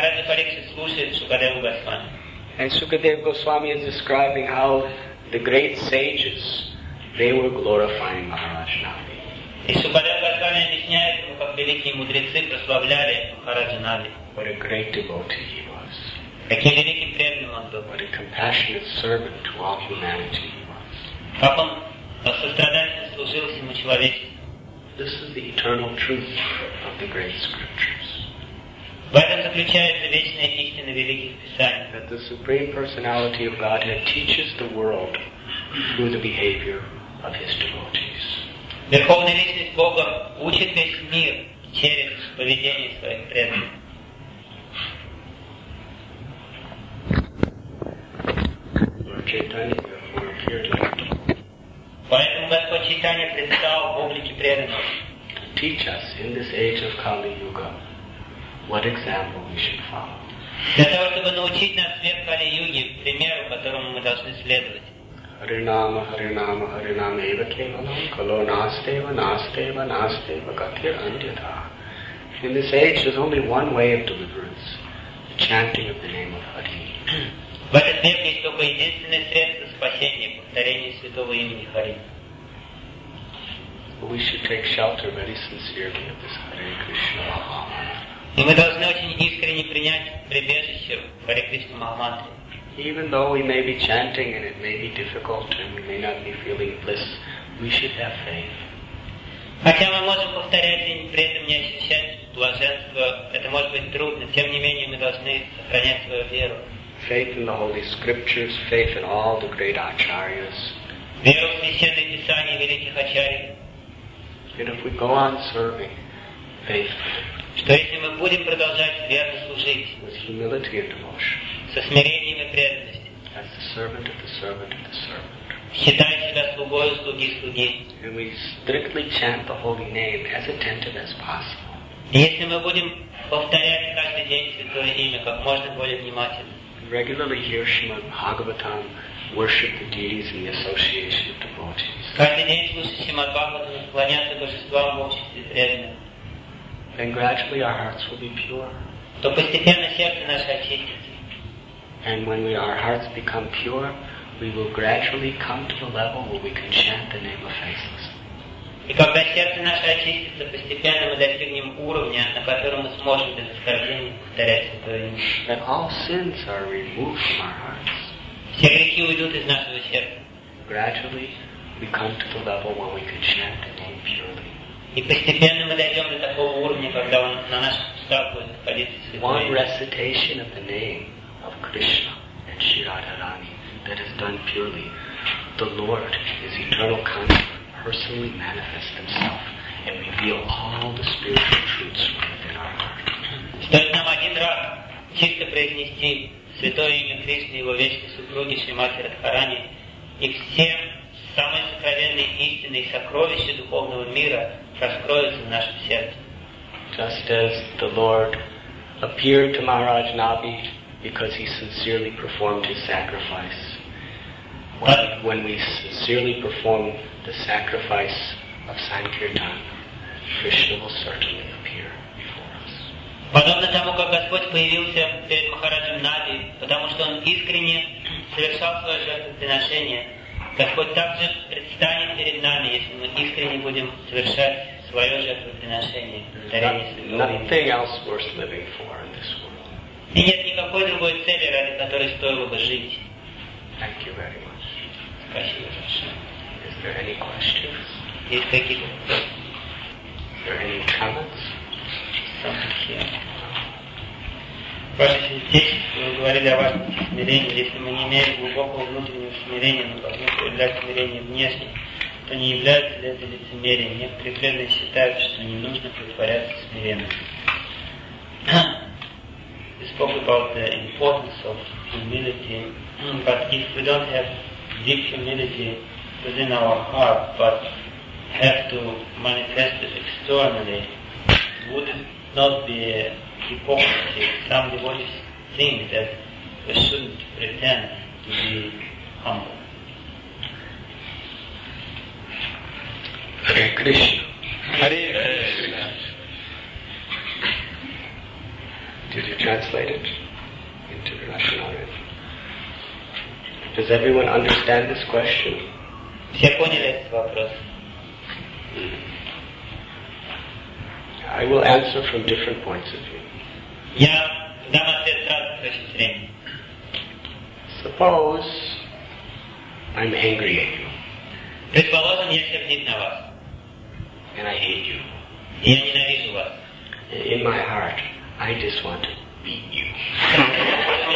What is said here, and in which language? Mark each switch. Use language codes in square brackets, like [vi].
[en] And Shukadeva Goswami is describing how the great sages, they were glorifying Maharaj Nava. [ru] И Шукадева Госвами объясняет ему, как великие мудрецы прославляли Махараджа Нави. [en] What a great devotee he was. [ru] Каким великим преданным он был. [en] What a compassionate servant to all humanity he was. [ru] Как он сострадательно служил всему человечеству. [en] This is the eternal truth of the great scriptures. [ru] В этом заключается вечная истина великих писаний. [en] That the Supreme Personality of Godhead teaches the world through the behavior of his devotees. [ru] Верховная Личность Бога учит весь мир через поведение своих преданных. Поэтому Господь Чайтанья предстал в облике преданных. [en] Teach us in this age of Kali-Yuga what example we should follow. [ru] Для того, чтобы научить нас в век Кали-Юги примеру, которому мы должны следовать. [sa] Harinama, Harinama, Harinama, Eva Kevalam, Kalo Nasteva, Nasteva, Nasteva, Gathir Andyata. [en] In this age, there's only one way of deliverance, the chanting of the name of Hari. [ru] В этот век есть только единственное средство спасения, повторение святого имени Хари. [en] We should take shelter very sincerely of this Hare Krishna Mahamantra. [ru] И мы должны очень искренне принять прибежище в Hare Krishna Mahamantra. [en] Even though we may be chanting and it may be difficult and we may not be feeling bliss, we should have faith. [ru] Хотя мы можем повторять и при этом не ощущать блаженство, это может быть трудно, тем не менее мы должны сохранять свою веру. [en] Faith in the Holy Scriptures, faith in all the great acharyas. [ru] Веру в Священное Писание великих ачарий. [en] And if we go on serving faith. [ru] Что если мы будем продолжать верно служить? [en] With humility and devotion. [ru] Со смирением и преданностью. [en] As the servant of the servant of the servant. [ru] Считай себя слугой слуги слуги. [en] And we strictly chant the holy name as attentive as possible. [ru] Если мы будем повторять каждый день святое имя как можно более внимательно. [en] Regularly hear Srimad Bhagavatam, worship the deities in the association of devotees. [ru] Каждый день слушать Srimad Bhagavatam, поклоняться божествам в обществе преданных. [en] Then gradually our hearts will be pure. [ru] То постепенно сердце наше очистится. [en] And when our hearts become pure, we will gradually come to the level where we can chant the name of faithless. [ru] И когда сердце наше очистится, постепенно мы достигнем уровня, на котором мы сможем без оскорбления повторять святое имя. [en] That all sins are removed from our hearts. [ru] Все грехи уйдут из нашего сердца. [en] Gradually, we come to the level where we can chant the name purely. [ru] И постепенно мы дойдем до такого уровня, когда он на наш устав будет входить святое имя. [en] One recitation of the name of Krishna and Sri Radharani that is done purely, the Lord, His eternal consort, personally manifest Himself and reveal all the spiritual truths within our heart. [ru] Стоит нам один раз чисто произнести святое имя Кришны, Его вечной супруги Шримати Радхарани, и все самые сокровенные истины и сокровища духовного мира раскроются в нашем сердце. [en] Just as the Lord appeared to Maharaj Nabi because he sincerely performed his sacrifice. When we sincerely perform the sacrifice of Sankirtan, Krishna will certainly appear before us. [ru] Подобно тому, как Господь появился перед Махараджем Нави, потому что он искренне совершал свое жертвоприношение, Господь также предстанет перед нами, если мы искренне будем совершать свое жертвоприношение. [en] Nothing else worth living for in this world. [ru] И нет никакой другой цели, ради которой стоило бы жить. [en] Thank you very much. [ru] Спасибо большое. [en] Is there any questions? [ru] Есть какие-то? [en] Is there any comments? [ru] Ваше святейшество, вы говорили о вашем смирении. Если мы не имеем глубокого внутреннего смирения, но должны проявлять смирение внешне, то не является ли это лицемерием? Некоторые преданные считают, что не нужно притворяться смиренным. [en] We spoke about the importance of humility, but if we don't have deep humility within our heart, but have to manifest it externally, would it not be hypocrisy? Some devotees think that we shouldn't pretend to be humble. Hare Krishna. Hare Krishna. Did you translate it into Russian already? Does everyone understand this question? [ru] Все поняли этот вопрос? [en] I will answer from different points of view. [ru] Я дам ответ сразу с точки зрения. [en] Suppose I'm angry at you. [ru] Предположим, я сердит на вас. [en] And I hate you. [ru] Я ненавижу вас. [en] In my heart, I just want to beat you.